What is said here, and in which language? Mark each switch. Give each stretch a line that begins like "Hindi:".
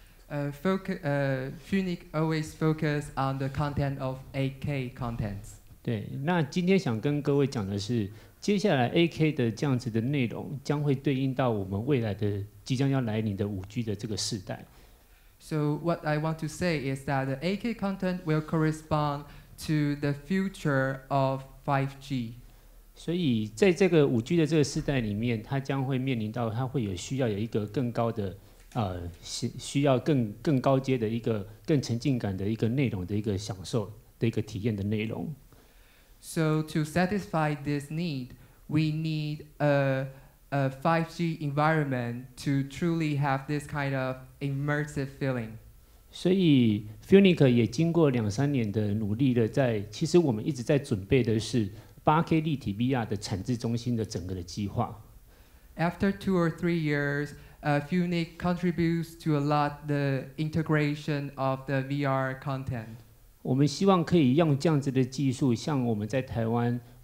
English: Funique always focus on the content of 8K contents.
Chinese: 对，那今天想跟各位讲的是。接下来 8K 的这样子的内容将会对应到我们未来的即将要来临的 5G 的这个世代。
English: So what I want to say is that the 8K content will correspond to the future of 5G.
Chinese: 所以在这个 5G 的这个世代里面，它将会面临到它会有需要有一个更高的需要更高阶的一个更沉浸感的一个内容的一个享受的一个体验的内容。
English: So to satisfy this need, we need a 5G environment to truly have this kind of immersive feeling.
Chinese: 所以 Funique 也经过两三年的努力了，其实我们一直在准备的是 8K 立体 VR 的产制中心的整个的计划。
English: After 2 or 3 years, Funique contributes to a lot the integration of the VR content.
Chinese: 我们希望可以用这样子的技术，像我们在台湾。